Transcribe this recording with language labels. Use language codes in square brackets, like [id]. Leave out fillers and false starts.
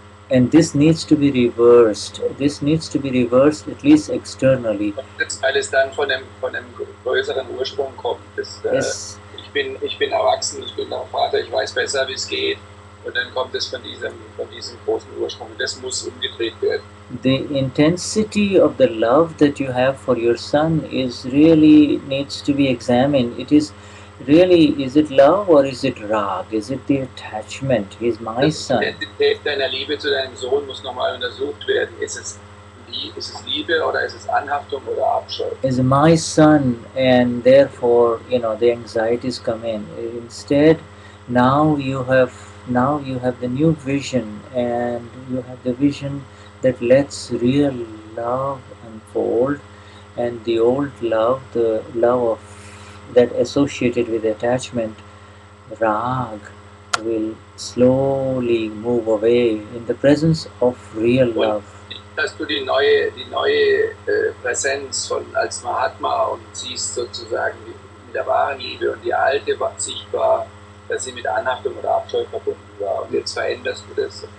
[en] And this needs to be reversed. This needs to be reversed at least externally. [de] Weil es dann von einem größeren Ursprung kommt. Ich bin erwachsen, ich bin auch Vater, ich weiß besser, wie es geht. Und dann kommt es von diesem großen Ursprung. Das muss umgedreht werden. [en] The intensity of the love that you have for your son is really needs to be examined. It is really, is it love or is it rag? Is it the attachment? He's my son. [de] Die Intensität deiner Liebe zu deinem Sohn muss nochmal untersucht werden. Ist es Liebe oder ist es Anhaftung oder Abscheu? [en] Is my son and therefore, you know, the anxieties come in. Instead, now you have the new vision and you have the vision that lets real love unfold, and the old love, the love of that associated with attachment, rag, will slowly move away in the presence of real love. [de] Die dass du die neue Präsenz von als Mahatma und siehst sozusagen in der wahren Liebe und die alte war sichtbar, dass sie mit Anhaftung oder Abscheu verbunden war und jetzt veränderst du das.